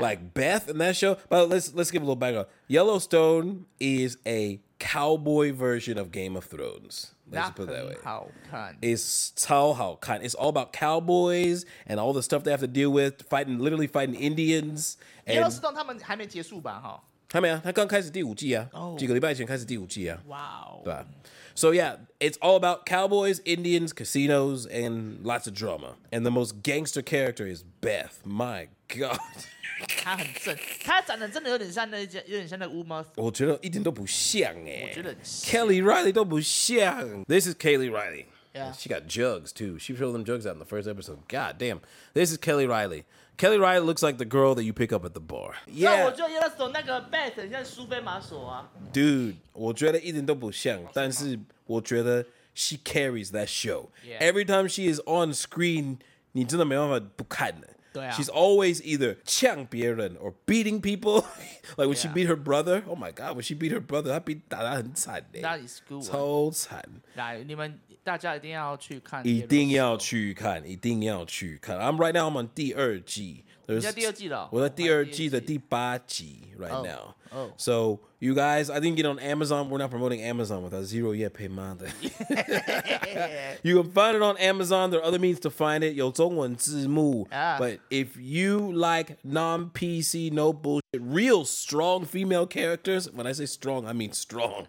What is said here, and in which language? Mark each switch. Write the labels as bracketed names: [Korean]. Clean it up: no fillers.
[English] Like Beth in that show. But let's give a little background. Yellowstone is a cowboy version of Game of Thrones. Let's put it that way. [Chinese] 好看 [English] It's [Chinese] 超好看 [English] It's all about cowboys and all the stuff they have to deal with, literally fighting Indians. [Chinese] Yellowstone 他们还没结束吧？哈。还没啊，他刚开始第五季啊， oh. 几个礼拜前开始第五季啊。 [English] Wow. [Chinese] 对吧 [English] ？So yeah, it's all about cowboys, Indians, casinos, and lots of drama. And the most gangster character is Beth. My God. [Chinese] 她很正，她长得真的有点像那 Uma。我觉得一点都不像我觉得 [English] Kelly Riley [Chinese] 都不像。 [English] This is Kelly Riley. Yeah. She got jugs too. She showed them jugs out in the first episode. God damn. This is Kelly Riley. Kelly Riley looks like the girl that you pick up at the bar. Yeah. [Chinese] 那我觉得 Yellowstone 那个 Beth 很像苏菲玛索啊。 Dude, 我觉得一点都不像，但是我觉得 [English] she carries that show. Yeah. Every time she is on screen, [Chinese] 你真的没办法不看的。对啊, [English] she's always either [Chinese] 呛别人 [English] or beating people. Like when she beat her brother, oh my god, when she beat her brother, [Chinese] 她打得很惨耶, [English] that is cool. [Chinese] 超惨. 来,你们大家一定要去看,一定要去看,一定要去看. [English] I'm right now, I'm on [Chinese] 第二季. 你在第二季了?我在第二季的第八集 [English] right now. So you guys, I didn't get on Amazon. We're not promoting Amazon with our zero yet pay month. You can find it on Amazon. There are other means to find it. [Chinese] 有中文字幕. [English] But if you like non-PC, no bullshit, real strong female characters, when I say strong, I mean strong.